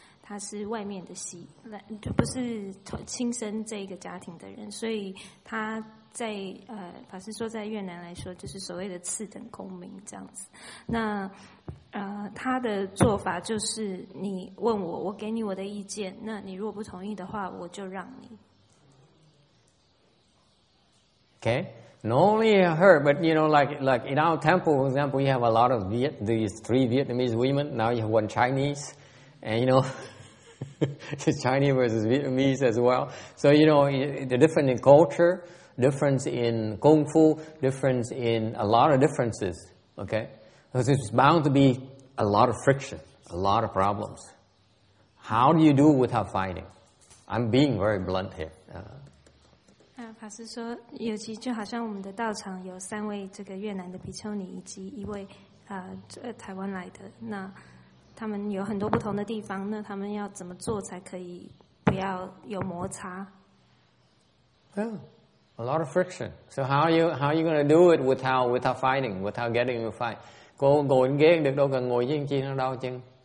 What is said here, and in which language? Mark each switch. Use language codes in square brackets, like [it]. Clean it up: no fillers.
[zh] 他是外面的媳，不是亲生这个家庭的人，所以他在法师说在越南来说就是所谓的次等公民这样子。那他的做法就是你问我，我给你我的意见，那你如果不同意的话，我就让你。 [en] Okay, not only her, but you know, like in our temple, for example, you have a lot of these three Vietnamese women. Now you have one Chinese, and you know. It's Chinese versus Vietnamese as well. So, you know, the difference in culture, difference in kung fu, difference in a lot of differences, okay? Because it's bound to be a lot of friction, a lot of problems. How do you do without fighting? I'm being very blunt here. [zh] 法师说，尤其就好像我们的道场有三位这个越南的比丘尼以及一位台湾来的那。他们有很多不同的地方，那他们要怎么做才可以不不要有摩擦。 [en] Yeah, a lot of friction. So how are you going to do it without fighting, without getting in a fight? [vi] Cô ngồi ghế được đâu, cần ngồi riêng chi nó đau chân.